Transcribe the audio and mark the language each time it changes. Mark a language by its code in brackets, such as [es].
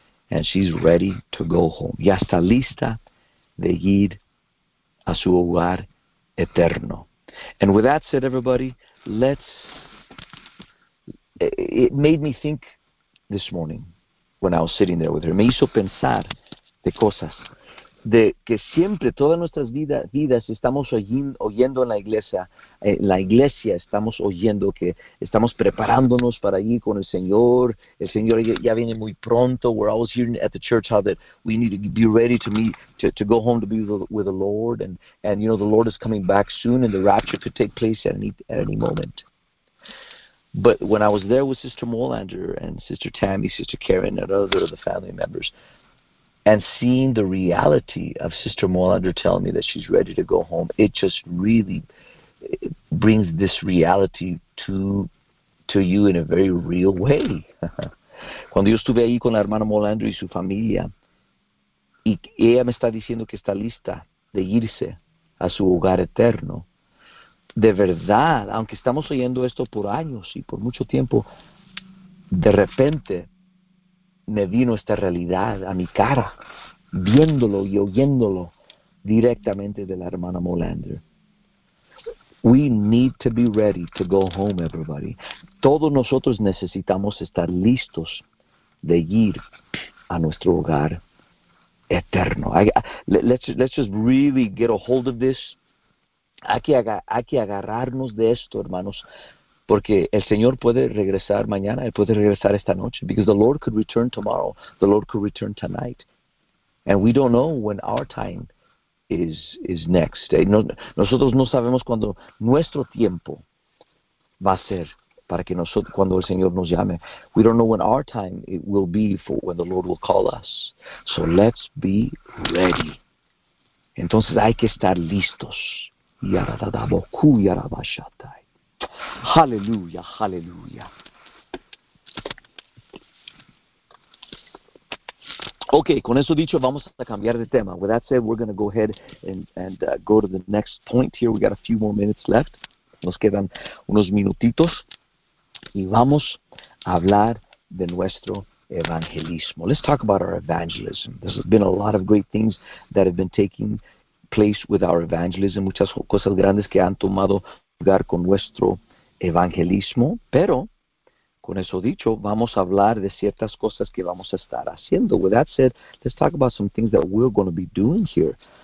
[en] And she's ready to go home. [es] Ya está lista de ir a su hogar eterno. [en] And with that said, everybody, let's... It made me think this morning when I was sitting there with her. [es] Me hizo pensar de cosas. De que siempre, todas nuestras vidas estamos oyendo en la iglesia estamos oyendo que estamos preparándonos para ir con el Señor ya viene muy pronto. [en] We're always hearing at the church how that we need to be ready to meet, to go home to be with the Lord, and you know, the Lord is coming back soon and the rapture could take place at any moment. But when I was there with Sister Molander and Sister Tammy, Sister Karen, and other of the family members, and seeing the reality of Sister Molander telling me that she's ready to go home, it just really brings this reality to you in a very real way. [es] Cuando yo estuve ahí con la hermana Molander y su familia, y ella me está diciendo que está lista de irse a su hogar eterno, de verdad, aunque estamos oyendo esto por años y por mucho tiempo, de repente me vino esta realidad a mi cara, viéndolo y oyéndolo directamente de la hermana Molander. [en] We need to be ready to go home, everybody. [es] Todos nosotros necesitamos estar listos de ir a nuestro hogar eterno. [en] Let's just really get a hold of this. [es] Hay que agarrarnos de esto, hermanos. Porque el Señor puede regresar mañana, Él puede regresar esta noche. [en] Because the Lord could return tomorrow, the Lord could return tonight. And we don't know when our time is next. [es] No, nosotros no sabemos cuándo nuestro tiempo va a ser para que nosotros, cuando el Señor nos llame. [en] We don't know when our time it will be for when the Lord will call us. So let's be ready. [es] Entonces hay que estar listos. Yaradadaboku yarabashatai. Hallelujah, hallelujah. Okay, con eso dicho, vamos a cambiar de tema. [en] With that said, we're going to go ahead and go to the next point here. We got a few more minutes left. [es] Nos quedan unos minutitos. Y vamos a hablar de nuestro evangelismo. [en] Let's talk about our evangelism. There's been a lot of great things that have been taking place with our evangelism. [es] Muchas cosas grandes que han tomado lugar con nuestro evangelismo, pero con eso dicho, vamos a hablar de ciertas cosas que vamos a estar haciendo. [en] With that said, let's talk about some things that we're going to be doing here.